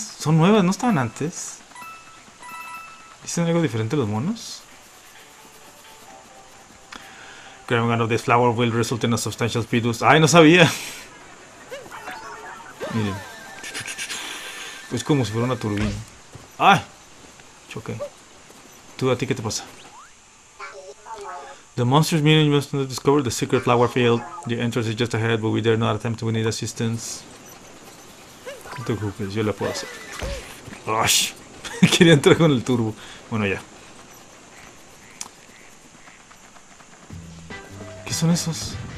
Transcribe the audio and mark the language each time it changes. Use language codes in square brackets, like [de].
[es] Son nuevas, no estaban antes. ¿Dicen algo diferente los monos? [en] Grabbing one of this flower will result in a substantial speed boost. [es] ¡Ay, no sabía! Miren. Es como si fuera una turbina. ¡Ay! Choqué. ¿Tú a ti qué te pasa? [en] The monsters meeting must not discover the secret flower field. The entrance is just ahead, but we dare not attempt to need assistance. [es] No te preocupes, yo la puedo hacer. ¡Rush! Quería entrar con el turbo. Bueno, ya. ¿Qué son esos?